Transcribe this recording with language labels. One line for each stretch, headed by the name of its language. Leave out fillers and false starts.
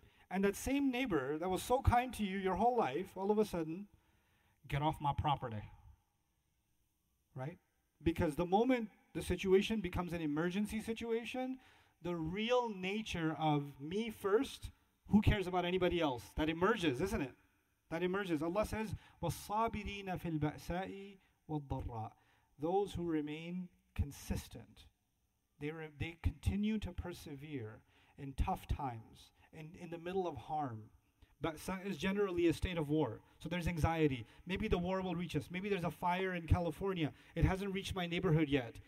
English: And that same neighbor that was so kind to you your whole life, all of a sudden, get off my property, right? Because the moment the situation becomes an emergency situation, the real nature of me first, who cares about anybody else? That emerges, isn't it? That emerges. Allah says,
Arabic: وَالصَّابِرِينَ فِي الْبَأْسَاءِ وَالضَّرَّاءِ.
English: Those who remain consistent, they continue to persevere in tough times, in the middle of harm. Ba'sa is generally a state of war. So there's anxiety. Maybe the war will reach us. Maybe there's a fire in California. It hasn't reached my neighborhood yet.